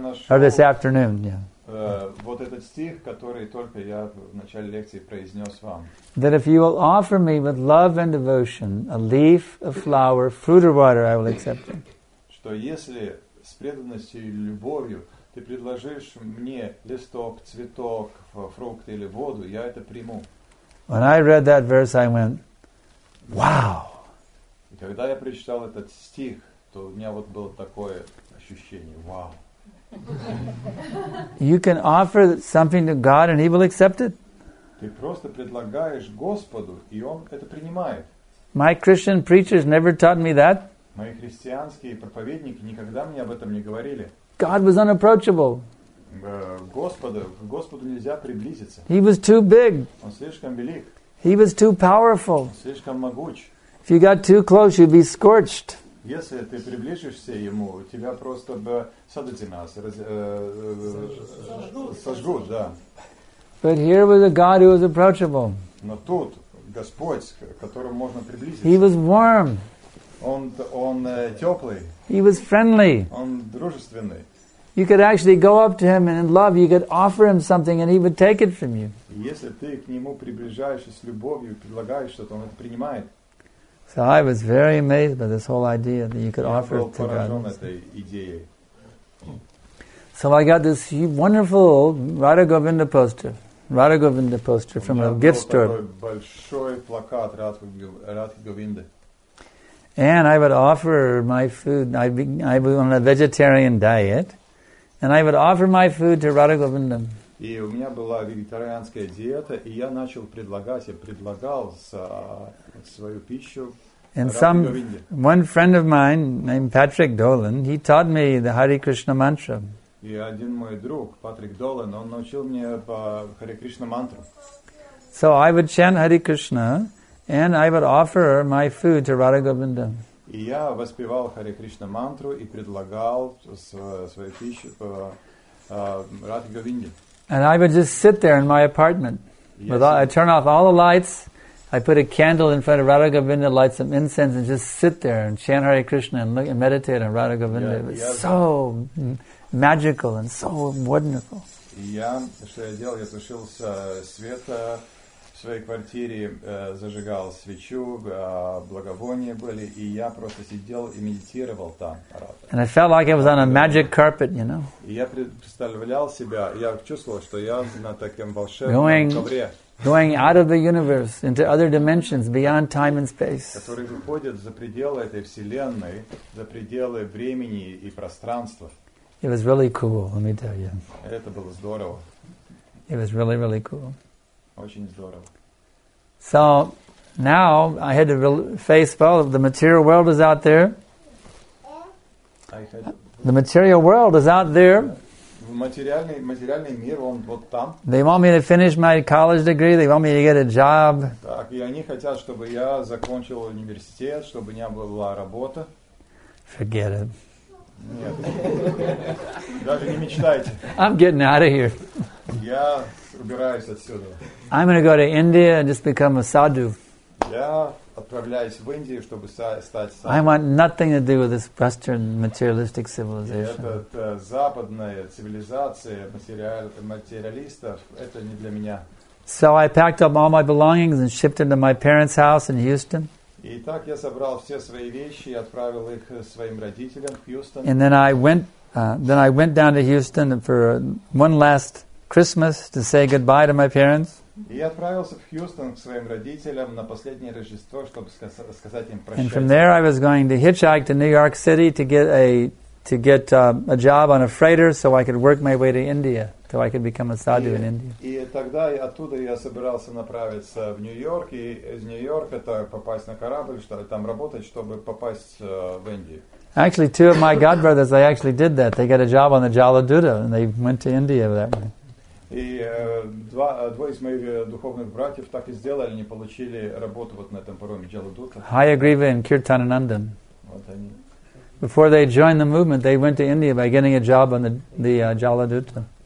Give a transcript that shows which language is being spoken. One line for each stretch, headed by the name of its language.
English: Or this afternoon, yeah. That if you will offer me with love and devotion a leaf, a flower, fruit or water, I will accept it.
Russian: Что если с преданностью и любовью ты предложишь мне листок, цветок, фрукт или воду, я это приму.
English: When I read that verse, I went, wow!
Russian: И когда я прочитал этот стих, то у меня вот было такое ощущение, wow!
English: You can offer something to God and He will accept it.
Russian: Ты просто предлагаешь Господу, и Он это принимает.
English: My Christian preachers never taught me that.
Russian: Мои христианские проповедники никогда мне об этом не говорили.
English: God was unapproachable.
Russian: Господу нельзя приблизиться.
English: He was too big.
Russian: Он слишком велик.
English: He was too powerful.
Russian: Он слишком могуч.
English: If you got too close, you'd be scorched.
Russian: Если ты приближишься ему, тебя просто бы сожгут, да.
English: But here was a God who was approachable.
Russian: Но тут Господь, к которому можно приблизиться.
English: He was warm.
Russian: Он теплый.
English: He was friendly.
Russian: Он дружественный.
English: You could actually go up to him and in love you could offer him something and he would take it from you.
Russian: Если ты к нему приближаешься с любовью, предлагаешь что-то, он это принимает.
English: So I was very amazed by this whole idea that you could offer it to God. So I got this wonderful Radha Govinda poster from a gift store.
Russian: Большой плакат Радха Говинды.
English: And I would offer my food. I was on a vegetarian diet, and I would offer my food to Radha Govinda.
Russian: И у меня была вегетарианская диета, и я начал предлагать, я предлагал свою пищу.
English: And some one friend of mine named Patrick Dolan, he taught me the Hare Krishna mantra.
Russian: И один мой друг Патрик Долан, он научил мне по Hare Krishna мантру.
English: So I would chant Hare Krishna. And I would offer my food to Radha Govinda.
Russian: И я воспевал Харе Кришна мантру и предлагал свою пищу Радхе Говинде.
English: And I would just sit there in my apartment. I turn off all the lights. I put a candle in front of Radha Govinda, light some incense, and just sit there and chant Hare Krishna and look and meditate on Radha Govinda. It was so magical and so wonderful.
Russian: Я что я делал? Я тушил света. В своей квартире зажигал свечу, благовония были, и я просто сидел и медитировал там.
English: And I felt like I was on a magic carpet, you know.
Russian: И я представлял себя, я чувствовал, что я на таком волшебном ковре.
English: Going out of the universe into other dimensions beyond time and space.
Russian: Который выходит за пределы этой вселенной, за пределы времени и пространства.
English: It was really cool, let me tell you.
Russian: Это было здорово.
English: It was really, really cool.
Russian: Очень здорово.
English: So now I had to face all of the material world is out there. The material world is out there.
Russian: Материальный мир, он вот там.
English: They want me to finish my college degree. They want me to get a job.
Russian: Так, и они хотят, чтобы я закончил университет, чтобы у меня была работа.
English: Forget it.
Russian: Нет. Даже не мечтайте.
English: I'm getting out of here.
Russian: Я убираюсь отсюда.
English: I'm going to go to India and just become a sadhu.
Russian: Я отправляюсь в Индию, чтобы стать
English: sadhu. I want nothing to do with this Western materialistic civilization.
Russian: Эта западная цивилизация материалистов, это не для меня.
English: So I packed up all my belongings and shipped into my parents' house in Houston.
Russian: И так я собрал все свои вещи и отправил их своим родителям в Хьюстон.
English: And then I went down to Houston for one last Christmas to say goodbye to my parents.
Russian: И я отправился в Хьюстон к своим родителям на последнее Рождество, чтобы сказать им прощай.
English: And from there I was going to hitchhike to New York City to get a job on a freighter so I could work my way to India, so I could become a sadhu in India.
Russian: И тогда оттуда я собирался направиться в Нью-Йорк, и из Нью-Йорка это попасть на корабль, чтобы там работать, чтобы попасть в Индию.
English: Actually, two of my godbrothers, they actually did that. They got a job on the Jaladuta, and they went to India that way.
Russian: И двое из моих духовных братьев так и сделали, они получили работу вот на этом пароме Джаладута. Хаягрива и Киртанананден. Вот они.
English: Before they joined the movement, they went to India by getting a job on the Jaladuta.